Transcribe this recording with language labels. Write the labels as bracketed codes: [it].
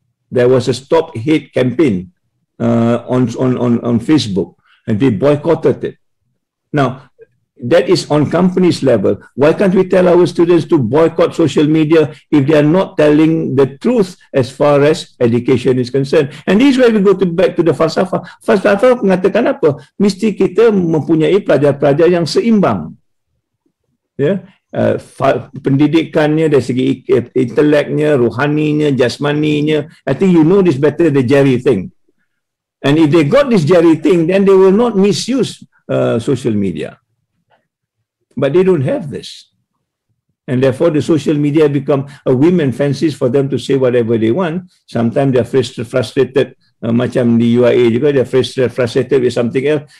[en] There was a stop hate campaign on Facebook, and they boycotted it. Now, that is on companies level. Why can't we tell our students to boycott social media if they are not telling the truth as far as education is concerned? And this is where we go back to the falsafah. [ms] Falsafah mengatakan apa? Mesti kita mempunyai pelajar-pelajar yang seimbang. Yeah? Pendidikannya dari segi inteleknya, rohaninya, jasmaninya. [en] I think you know this better, the Jerry thing. And if they got this Jerry thing, then they will not misuse social media. But they don't have this. And therefore, the social media become a whim and fancies for them to say whatever they want. Sometimes they're frustrated, [ms] macam di UIA juga, [en] they're frustrated with something else.